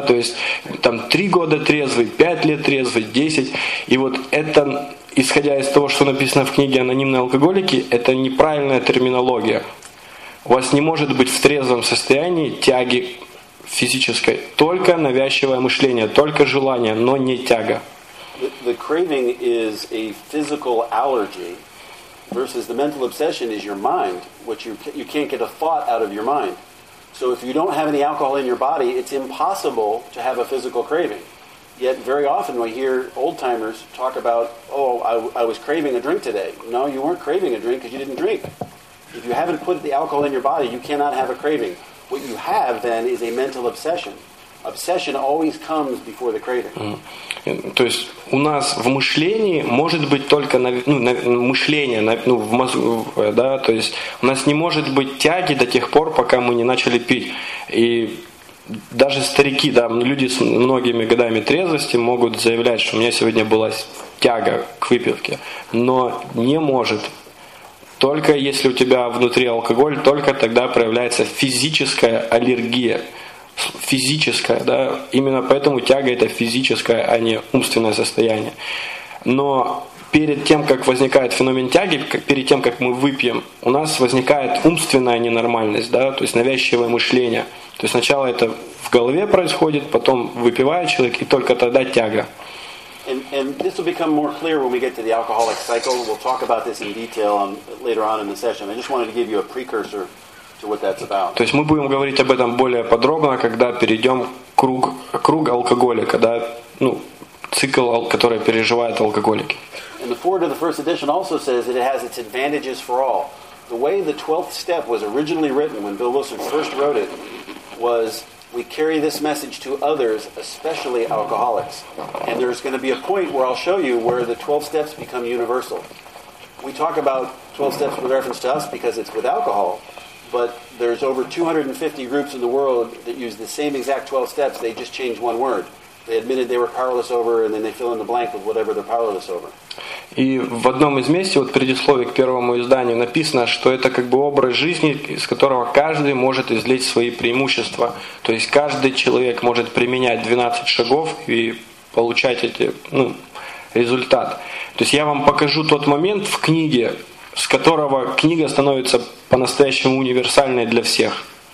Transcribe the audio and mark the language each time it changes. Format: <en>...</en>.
<ru>То есть там 3 года трезвый, 5 лет трезвый, 10. И вот это, исходя из того, что написано в книге «Анонимные алкоголики», это неправильная терминология. У вас не может быть в трезвом состоянии тяги физической. Только навязчивое мышление, только желание, но не тяга.</ru> <en>The craving is a physical allergy versus the mental obsession is your mind, which you can't get a thought out of your mind. So if you don't have any alcohol in your body, it's impossible to have a physical craving. Yet very often we hear old timers talk about, I was craving a drink today. No, you weren't craving a drink because you didn't drink. If you haven't put the alcohol in your body, you cannot have a craving. What you have then is a mental obsession. Obsession always comes before the craving. Mm-hmm.</en> <ru>То есть у нас в мышлении может быть только мышление, то есть у нас не может быть тяги до тех пор, пока мы не начали пить. И даже старики, да, люди с многими годами трезвости могут заявлять, что у меня сегодня была тяга к выпивке, но не может. Только если у тебя внутри алкоголь, только тогда проявляется физическая аллергия. Физическая, да. Именно поэтому тяга – это физическое, а не умственное состояние. Но перед тем, как возникает феномен тяги, перед тем, как мы выпьем, у нас возникает умственная ненормальность, да, то есть навязчивое мышление. То есть сначала это в голове происходит, потом выпивает человек, и только тогда тяга.</ru> <en>And this will become more clear when we get to the alcoholic cycle. We'll talk about this in detail later on in the session. I just wanted to give you a precursor to what that's about.</en> <ru>То есть мы будем говорить об этом более подробно, когда перейдем круг алкоголика, когда цикл, который переживает алкоголики.</ru> <en>And the foreword of the first edition also says that it has its advantages for all. The way the 12th step was originally written when Bill Wilson first wrote it was: we carry this message to others, especially alcoholics. And there's going to be a point where I'll show you where the 12 steps become universal. We talk about 12 steps with reference to us because it's with alcohol, but there's over 250 groups in the world that use the same exact 12 steps. They just change one word. They admitted they were powerless over, and then they fill in the blank with whatever they're powerless over.</en> <ru>И в одном из мест, вот предисловие к первому изданию, написано, что это как бы образ жизни, из которого каждый может извлечь свои преимущества. То есть каждый человек может применять 12 шагов и получать эти, результат. То есть я вам покажу тот момент в книге, с которого книга становится по-настоящему универсальной для всех.</ru>